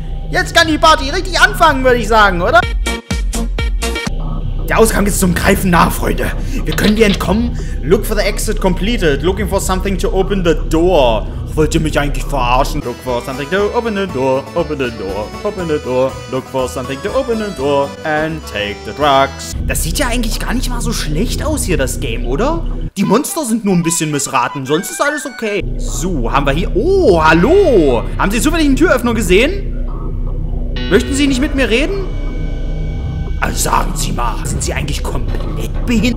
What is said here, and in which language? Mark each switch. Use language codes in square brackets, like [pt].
[de] Jetzt kann die Party richtig anfangen, würde ich sagen, oder? Der Ausgang ist zum Greifen nah, Freunde. Wir können dir entkommen. [en] Look for the exit completed. Looking for something to open the door. [de] Wollt ihr mich eigentlich verarschen? [en] Look for something to open the door, open the door, open the door. Look for something to open the door and take the drugs. [de] Das sieht ja eigentlich gar nicht mal so schlecht aus hier, das Game, oder? Die Monster sind nur ein bisschen missraten, sonst ist alles okay. So, haben wir hier... Oh, hallo! Haben Sie zufällig einen Türöffner gesehen? Möchten Sie nicht mit mir reden? Also sagen Sie mal, sind Sie eigentlich komplett behindert?